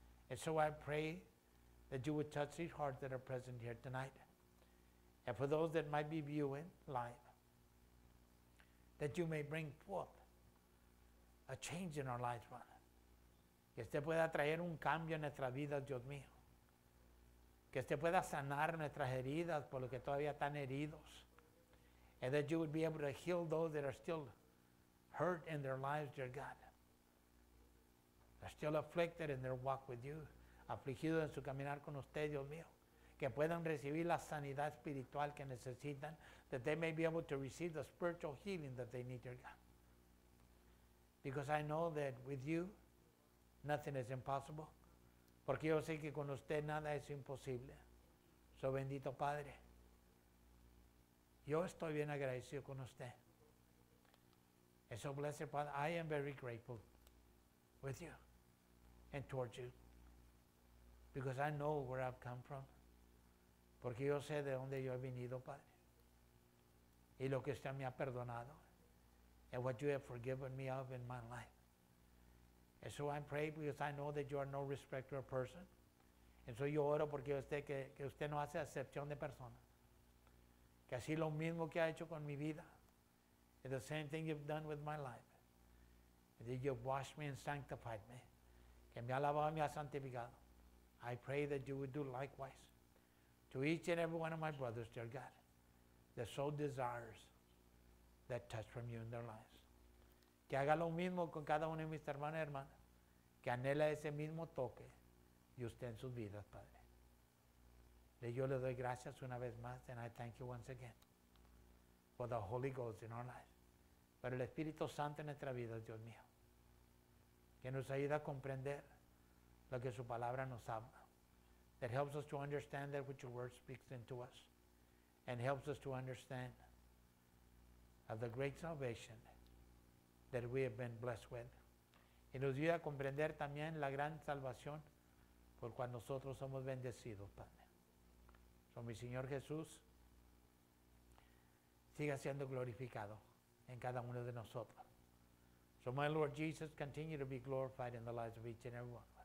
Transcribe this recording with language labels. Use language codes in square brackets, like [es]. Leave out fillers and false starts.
[en] And so I pray that you would touch these hearts that are present here tonight. And for those that might be viewing live, that you may bring forth a change in our lives, Father. [es] Que usted pueda traer un cambio en nuestras vidas, Dios mío. Que usted pueda sanar nuestras heridas por los que todavía están heridos. [en] And that you would be able to heal those that are still hurt in their lives, dear God. They're still afflicted in their walk with you. [es] Afligidos en su caminar con usted, Dios mío. Que puedan recibir la sanidad espiritual que necesitan. [en] That they may be able to receive the spiritual healing that they need, dear God. Because I know that with you, nothing is impossible. [es] Porque yo sé que con usted nada es imposible. So bendito Padre, yo estoy bien agradecido con usted. [en] And so blessed Father, I am very grateful with you and towards you. Because I know where I've come from. [es] Porque yo sé de dónde yo he venido, Padre. Y lo que usted me ha perdonado. [en] And what you have forgiven me of in my life. And so I pray because I know that you are no respecter of person. [es] And so yo oro porque usted que usted no hace acepción de persona. Que así lo mismo que ha hecho con mi vida. [en] And the same thing you've done with my life. And that you've washed me and sanctified me. [es] Que me ha lavado y me ha santificado. [en] I pray that you would do likewise to each and every one of my brothers, dear God, that so desires that touch from you in their lives. [es] Que haga lo mismo con cada uno de mis hermanos y hermanas, que anhela ese mismo toque y usted en sus vidas, Padre. Le yo le doy gracias una vez más, [en] and I thank you once again for the Holy Ghost in our lives, [es] por el Espíritu Santo en nuestra vida, Dios mío, que nos ayuda a comprender lo que su palabra nos habla. [en] That helps us to understand that which your word speaks into us. And helps us to understand of the great salvation that we have been blessed with. [es] Y nos ayuda a comprender también la gran salvación por cual nosotros somos bendecidos, Padre. So, mi Señor Jesús, siga siendo glorificado en cada uno de nosotros. [en] So, my Lord Jesus, continue to be glorified in the lives of each and every one.